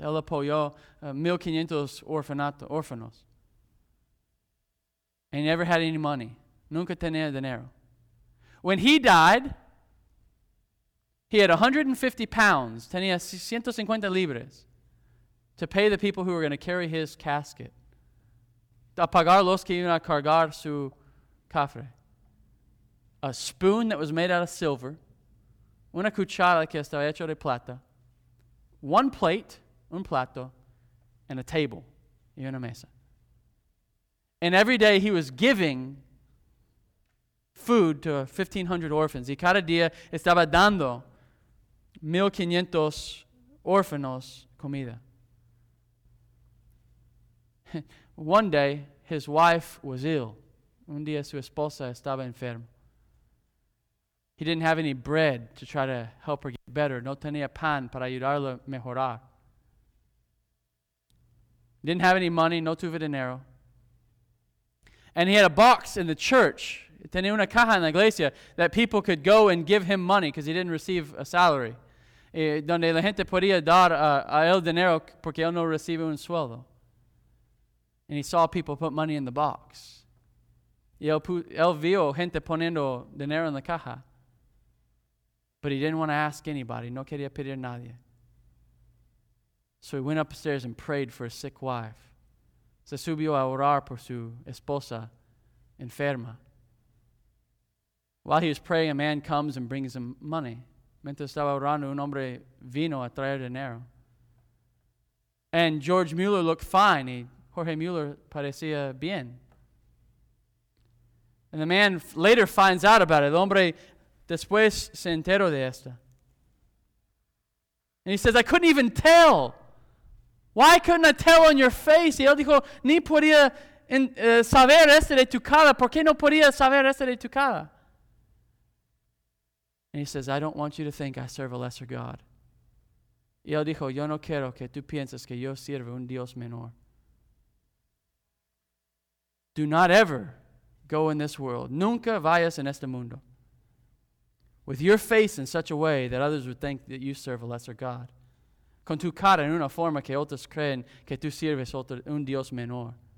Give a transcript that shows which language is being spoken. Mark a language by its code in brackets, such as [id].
[es] Él apoyó 1,500 orfanos. [en] And he never had any money. [es] Nunca tenía dinero. [en] When he died, he had 150 pounds. [es] Tenía 150 libras [en] to pay the people who were going to carry his casket. [es] A pagar los que iban a cargar su cofre. [en] A spoon that was made out of silver. [es] Una cuchara que estaba hecha de plata. [en] One plate, [es] un plato, [en] and a table [es] y una mesa. [en] And every day he was giving food to 1,500 orphans. [es] Y cada día estaba dando 1,500 orphanos comida. [en] One day, his wife was ill. [es] Un día su esposa estaba enferma. [en] He didn't have any bread to try to help her get better. [es] No tenía pan para ayudarla a mejorar. [en] Didn't have any money, [es] no tuve dinero. [en] And he had a box in the church, [es] tenía una caja en la iglesia, [en] that people could go and give him money because he didn't receive a salary. [es] Donde la gente podía dar a él dinero porque él no recibe un sueldo. [en] And he saw people put money in the box. [es] Y él vio gente poniendo dinero en la caja. [en] But he didn't want to ask anybody. [es] No quería pedir a nadie. [en] So he went upstairs and prayed for his sick wife. [es] Se subió a orar por su esposa enferma. [en] While he was praying, a man comes and brings him money. [es] Mientras estaba orando, un hombre vino a traer dinero. [en] And George Mueller looked fine. [es] Jorge Mueller parecía bien. [en] And the man later finds out about it. [es] El hombre después se enteró de esta. [en] And he says, I couldn't even tell. Why couldn't I tell on your face? [es] Y él dijo, ni podía saber este de tu cara. ¿Por qué no podía saber este de tu cara? [en] And he says, I don't want you to think I serve a lesser God. [es] Y él dijo, yo no quiero que tú pienses que yo sirvo un Dios menor. [en] Do not ever go in this world. [es] Nunca vayas en este mundo. [en] With your face in such a way that others would think that you serve a lesser God. [es] Con tu cara en una forma que otros creen que tú sirves un Dios menor.